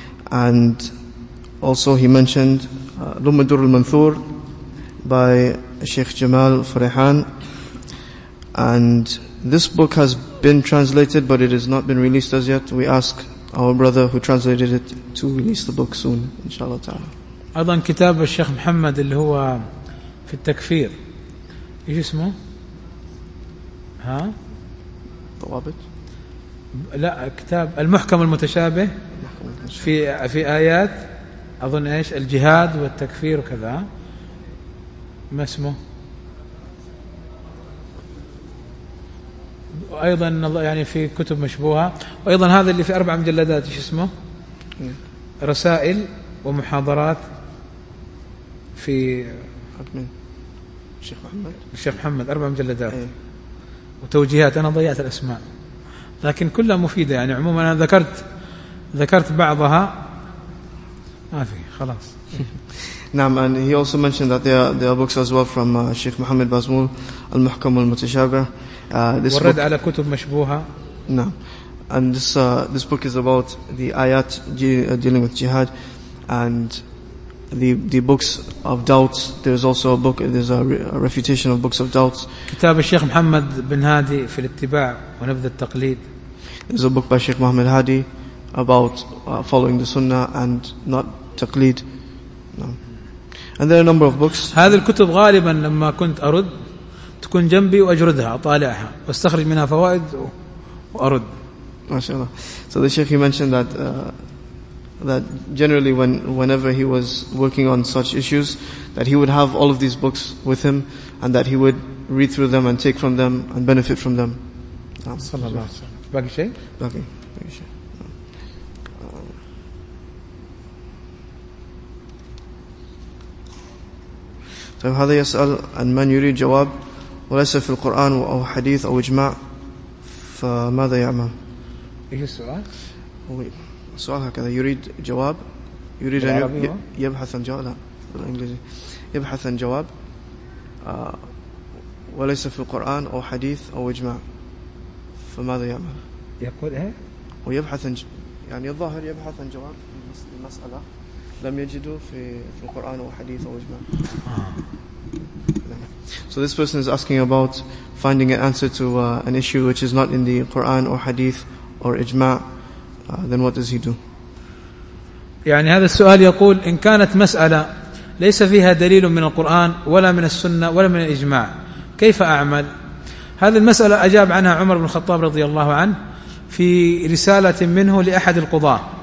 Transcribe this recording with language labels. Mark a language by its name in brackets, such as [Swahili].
[English] And also he mentioned Lumadur Al-Manthur by Sheikh Jamal Farihan, and this book has been translated but it has not been released as yet. We ask our brother who translated it to release the book soon, inshallah ta'ala. [Arabic] أيضا كتاب الشيخ محمد اللي هو في التكفير، إيش اسمه؟ ها؟ ضوابط؟ لا، كتاب المحكم المتشابه في آيات أظن إيش الجهاد والتكفير وكذا، ما اسمه أيضا يعني في كتب مشبوهة، وأيضا هذا اللي في 4 مجلدات إيش اسمه؟ رسائل ومحاضرات في الشيخ محمد، الشيخ محمد 4 مجلدات وتوجيهات، أنا ضيعت الأسماء لكن كلها مفيدة يعني. عموما أنا ذكرت بعضها ما في خلاص. نعم. [English] And he also mentioned that there are books as well from Sheikh Muhammad Bazmul, Al Muhkam Al Mutashabih. [Arabic] This ورد book, على كتب مشبوهة. نعم. [English] And this book is about the ayat dealing with jihad, and the books of doubts. There's also a book. There's a refutation of books of doubts. [Arabic] كتاب الشيخ محمد بن هادي في الاتباع ونبذ التقليد. [English] There's a book by Sheikh Muhammad Hadi about following the Sunnah and not taqlid. [Arabic] نعم. [English] And there are a number of books. [Arabic] هذه الكتب غالبا لما كنت أرد تكون جنبي وأجردها أطالعها واستخرج منها فوائد وأرد. ما شاء الله. [English] So the Sheikh, he mentioned that that generally whenever he was working on such issues, that he would have all of these books with him and that he would read through them and take from them and benefit from them. [Arabic] صلى الله عليه وسلم. باقي شيء؟ باقي شيء. طيب هذا يسأل عن من يريد جواب وليس في القرآن أو حديث أو إجماع فماذا يعمل؟ إيه السؤال؟ سؤال هكذا يريد جواب، يريد أن يبحث عن جواب، لا بالإنجليزي يبحث عن جواب وليس في القرآن أو حديث أو إجماع فماذا يعمل؟ يقول إيه؟ ويبحث عن يعني الظاهر يبحث عن جواب المسألة لم يجدوا في القرآن أو حديث أو إجماع. [English] So this person is asking about finding an answer to an issue which is not in the Quran or Hadith or إجماع. Then what does he do? [Arabic] يعني هذا السؤال يقول إن كانت مسألة ليس فيها دليل من القرآن ولا من السنة ولا من الإجماع كيف أعمل؟ هذه المسألة أجاب عنها عمر بن الخطاب رضي الله عنه في رسالة منه لأحد القضاة،